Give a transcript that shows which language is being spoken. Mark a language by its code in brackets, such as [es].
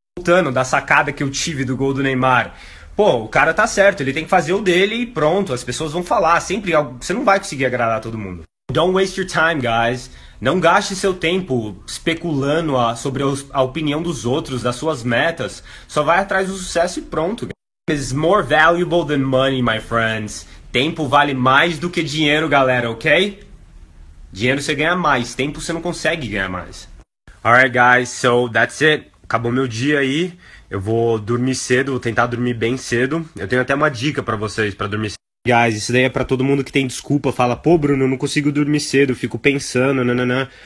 [pt] Voltando da sacada que eu tive do gol do Neymar. Pô, o cara tá certo, ele tem que fazer o dele e pronto, as pessoas vão falar. Sempre você não vai conseguir agradar todo mundo. [en] Don't waste your time, guys. [pt] Não gaste seu tempo especulando sobre a opinião dos outros, das suas metas. Só vai atrás do sucesso e pronto. [en] Time is more valuable than money, my friends. [pt] Tempo vale mais do que dinheiro, galera, ok? Dinheiro você ganha mais, tempo você não consegue ganhar mais. [en] Alright, guys, so that's it. [pt] Acabou meu dia aí. Eu vou dormir cedo, vou tentar dormir bem cedo. Eu tenho até uma dica para vocês para dormir cedo. Guys, isso daí é para todo mundo que tem desculpa, fala: "Pô, Bruno, eu não consigo dormir cedo, fico pensando, nananã."